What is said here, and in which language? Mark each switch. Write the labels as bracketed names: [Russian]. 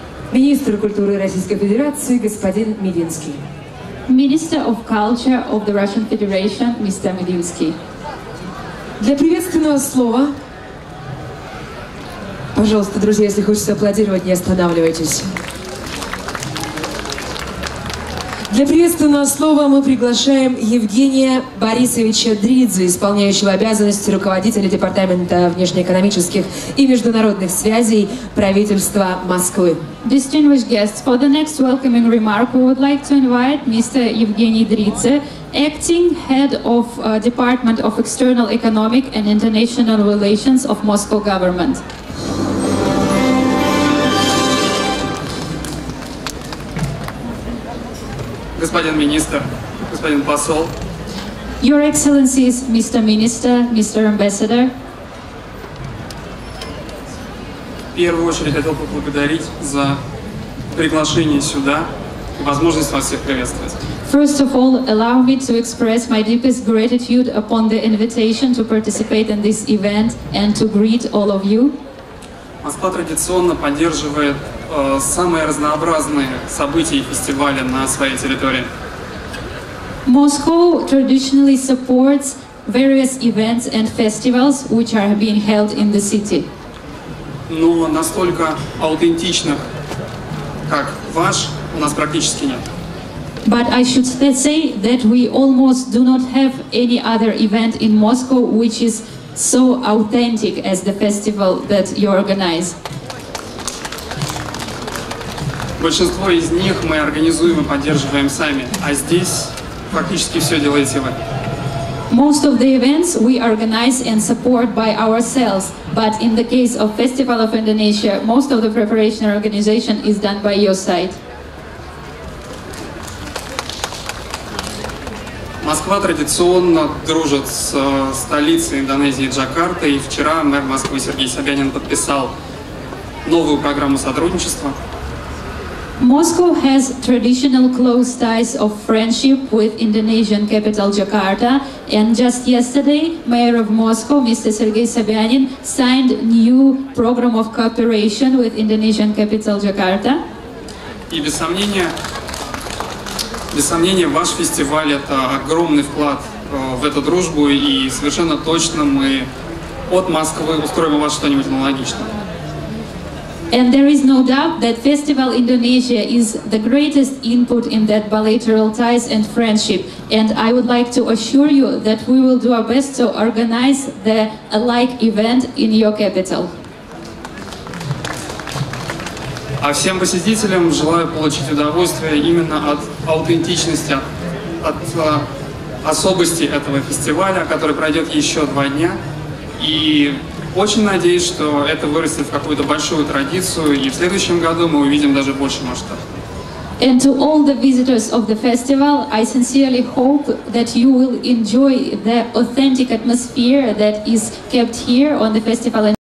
[Russian] Министр культуры Российской Федерации господин Мединский. [English] Minister of Culture of the Russian Federation, Mr. [Russian] Мединский. Для приветственного слова, пожалуйста, друзья, если хочется аплодировать, не останавливайтесь. Для приветственного слова мы приглашаем Евгения Борисовича Дридзе, исполняющего обязанности руководителя Департамента внешнеэкономических и международных связей правительства Москвы. [English] Distinguished guests, for the next welcoming remark, we would like to invite Mr. Евгений Дридзе, acting head of Department of External Economic and International Relations of Moscow Government. [Russian] Good господин министр, господин посол. [English] Your Excellencies, Mr. Minister, Mr. Ambassador. [Russian] В первую очередь хотел бы поблагодарить за приглашение сюда и возможность вас всех приветствовать. [English] First of all, allow me to express my deepest gratitude upon the invitation to participate in this event and to greet all of you. [Russian] Москва традиционно поддерживает самые разнообразные события и фестивали на своей территории. [English] Moscow traditionally supports various events and festivals which are being held in the city. [Russian] Но настолько аутентичных, как ваш, у нас практически нет. [English] But I should say that we almost do not have any other event in Moscow which is so authentic as the festival that you organize. [Russian] Большинство из них мы организуем и поддерживаем сами, а здесь практически все делаете вы. [English] Most of the events we organize and support by ourselves, but in the case of Festival of Indonesia, most of the preparation and organization is done by your side. [Russian] Москва традиционно дружит с столицей Индонезии Джакартой, и вчера мэр Москвы Сергей Собянин подписал новую программу сотрудничества. [English] Moscow has traditional close ties of friendship with Indonesian capital Jakarta, and just yesterday, Mayor of Moscow, Mr. Sergei Sobyanin, signed new program of cooperation with Indonesian capital Jakarta. [Russian] И без сомнения, ваш фестиваль — это огромный вклад в эту дружбу, и совершенно точно мы от Москвы устроим у вас что-нибудь аналогичное. [English] And there is no doubt that Festival Indonesia is the greatest input in that bilateral ties and friendship. And I would like to assure you that we will do our best to organize the alike event in your capital. [Russian] А всем посетителям желаю получить удовольствие именно от аутентичности, от особости этого фестиваля, который пройдет еще два дня. И очень надеюсь, что это вырастет в какую-то большую традицию, и в следующем году мы увидим даже больше масштаб. [English] And to all the visitors of the festival, I sincerely hope that you will enjoy the authentic atmosphere that is kept here on the festival.